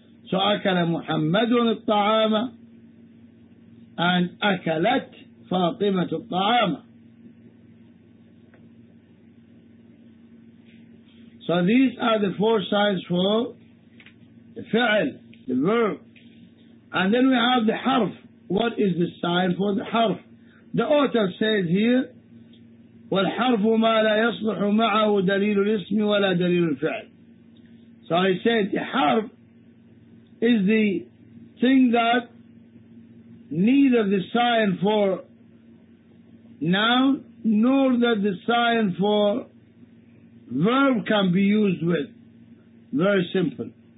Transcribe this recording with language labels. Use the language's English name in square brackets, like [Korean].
[Arabic] So akala Muhammadun al-ta'ama and akalat Fatimatu al-ta'ama. [English] So these are the four signs for the fi'l, the verb. And then we have the harf. What is the sign for the harf? [Arabic] The author says here, وَالْحَرْفُ مَا لَا يَصْلُحُ مَعَهُ دَلِيلُ الْإِسْمِ وَلَا دَلِيلُ الْفِعْلِ. [English] So he said the harf is the thing that neither the sign for noun nor that the sign for verb can be used with. Very simple.